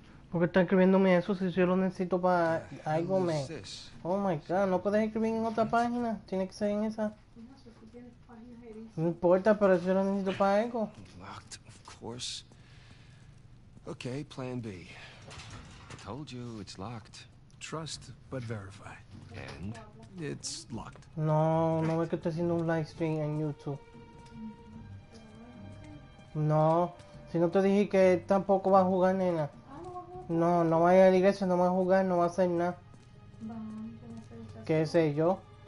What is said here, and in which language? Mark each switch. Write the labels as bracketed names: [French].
[Spanish] ¿Por qué están escribiéndome eso si yo lo necesito para algo, man? [English] Oh my god, [Spanish] no puedes escribir en otra página. Tiene que ser en esa. No importa, pero yo lo necesito para algo. [English] Locked, of course. Okay, plan B. I told you it's locked. Trust, but verify. And? It's locked. [Spanish] No, no ve que estoy haciendo un live stream en YouTube. No, si no te dije que tampoco va a jugar, nena. No, no va a ir a la iglesia, no va a jugar, no va a hacer nada. ¿Qué sé yo?